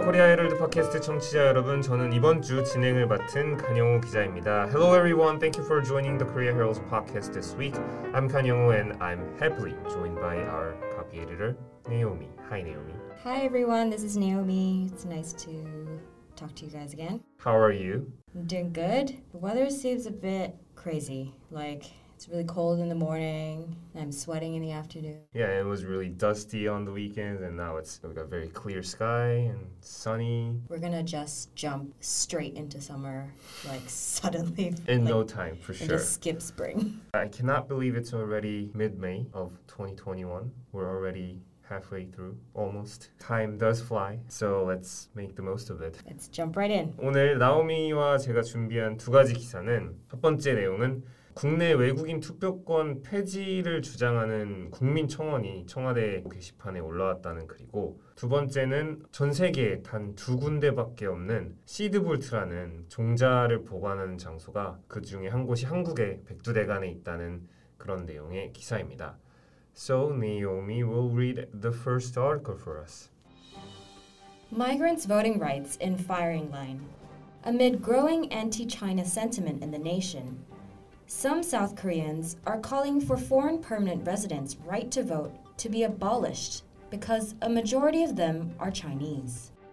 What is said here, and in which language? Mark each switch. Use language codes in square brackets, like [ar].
[ko] 코리아 헤럴드 팟캐스트 청취자 여러분, 저는 이번 주 진행을 맡은 강영우 기자입니다. [en] Hello everyone, thank you for joining the Korea Herald podcast this week. I'm 강영우 and I'm happily joined by our copy editor, Naomi. Hi, Naomi. Hi everyone, this is Naomi. It's nice to talk to you guys again. How are you? I'm doing good. The weather seems a bit crazy, like it's really cold in the morning, and I'm sweating in the afternoon. Yeah, it was really dusty on the weekend, and now we've got very clear sky and sunny. We're gonna just jump straight into summer, like suddenly. In no time, for sure. And just skip spring. I cannot believe it's already mid-May of 2021. We're already halfway through, almost. Time does fly, so let's make the most of it. Let's jump right in. [ko] 오늘 나오미와 제가 준비한 두 가지 기사는 첫 번째 내용은 국내 외국인 투표권 폐지를 주장하는 국민청원이 청와대 게시판에 올라왔다는 글이고, 두 번째는 전 세계에 단 두 군데밖에 없는 시드볼트라는 종자를 보관하는 장소가 그 중에 한 곳이 한국의 백두대간에 있다는 그런 내용의 기사입니다. [en] So Naomi will read the first article for us. Migrants' voting rights in firing line. Amid growing anti-China sentiment in the nation, some South Koreans are calling for foreign permanent residents' right to vote to be abolished because a majority of them are Chinese.